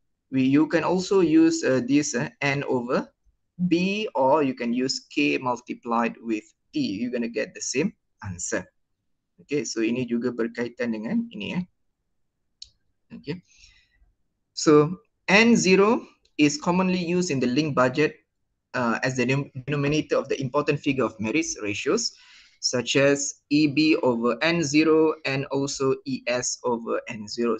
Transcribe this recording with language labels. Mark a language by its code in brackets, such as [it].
[en] You can also use this N over B, or you can use K multiplied with T. You're going to get the same answer. [ms] Okay, so ini juga berkaitan dengan ini. [en] Okay, so N0 is commonly used in the link budget as the denominator of the important figure of merits ratios, such as EB over N0 and also ES over N0.